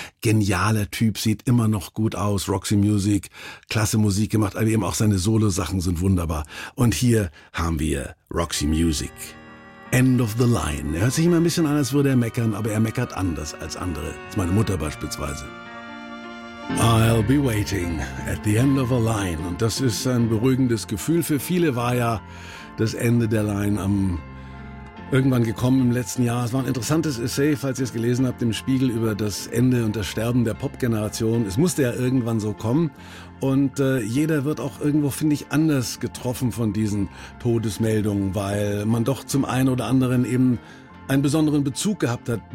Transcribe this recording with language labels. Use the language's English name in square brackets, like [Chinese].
[German] Genialer Typ, sieht immer noch gut aus, Roxy Music, klasse Musik gemacht, aber eben auch seine Solo-Sachen sind wunderbar. Und hier haben wir Roxy Music. End of the Line. Er hört sich immer ein bisschen an, als würde er meckern, aber er meckert anders als andere. Das ist meine Mutter beispielsweise. [English] I'll be waiting at the end of a line. [German] Und das ist ein beruhigendes Gefühl. Für viele war ja das Ende der Line am irgendwann gekommen im letzten Jahr. Es war ein interessantes Essay, falls ihr es gelesen habt, im Spiegel über das Ende und das Sterben der Pop-Generation. Es musste ja irgendwann so kommen. Und jeder wird auch irgendwo, finde ich, anders getroffen von diesen Todesmeldungen, weil man doch zum einen oder anderen eben einen besonderen Bezug gehabt hat.